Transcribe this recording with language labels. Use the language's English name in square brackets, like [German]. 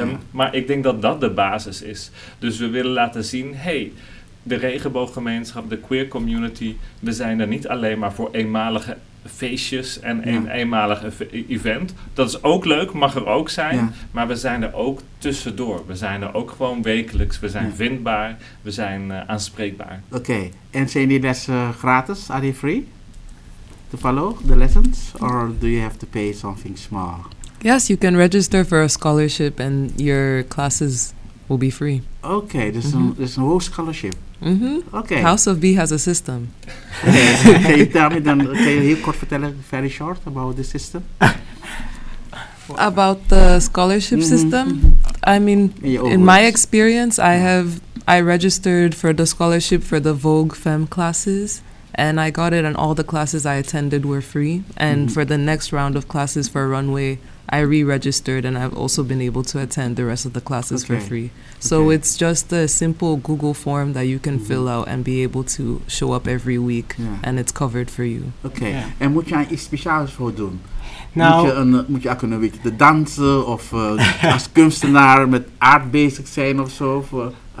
[Dutch] Maar ik denk dat dat de basis is. Dus we willen laten zien, hey, de regenbooggemeenschap, de queer community, we zijn er niet alleen maar voor eenmalige feestjes en een eenmalig event. Dat is ook leuk, mag er ook zijn. Ja. Maar we zijn er ook tussendoor. We zijn er ook gewoon wekelijks. We zijn vindbaar. We zijn aanspreekbaar. Oké. En zijn die lessen gratis? [English] Are they free? To follow the lessons? Or do you have to pay something small? Yes, you can register for a scholarship and your classes will be free. [Dutch] Oké, dus een [English] whole scholarship. House of B has a system. Can you [Dutch] heel kort vertellen, [English] very short, about the system? About the scholarship system? I mean, in my experience, I registered for the scholarship for the Vogue Femme classes, and I got it, and all the classes I attended were free. And for the next round of classes for Runway, I re-registered and I've also been able to attend the rest of the classes for free. So it's just a simple Google form that you can fill out and be able to show up every week and it's covered for you. [Dutch] Oké, en moet je aan iets speciaals voor doen? Nou, moet je ook kunnen weten, de dansen of als kunstenaar met art bezig zijn of zo?